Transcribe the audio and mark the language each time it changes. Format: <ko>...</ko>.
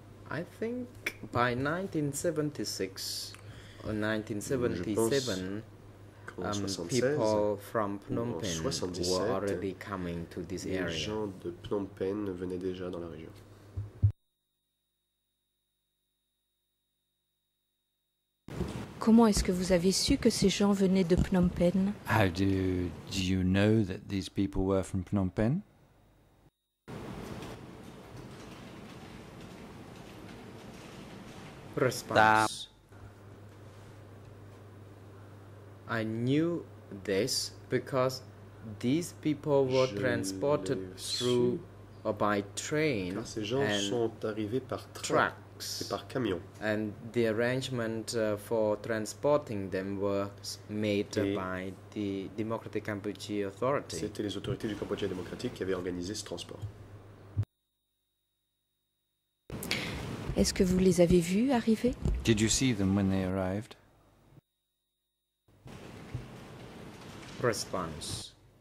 <en>I think by 1976 or 1977, people from Phnom Penh were already coming to this area.</en> <fr>Les gens de Phnom Penh venaient déjà dans la région. Comment est-ce que vous avez su que ces gens venaient de Phnom Penh?</fr> <en>How do you know that these people were from Phnom Penh? Response. I knew this because these people were transported through or by train and trucks</en> <fr>et par camion.</fr> <en>And the arrangement for transporting them were made by the Democratic Cambodia Authority.</en> <fr>C'était les autorités du Cambodge démocratique qui avaient organisé ce transport. Est-ce que vous les avez vus arriver?</fr> <en>Did you see them when they arrived? Response.</en>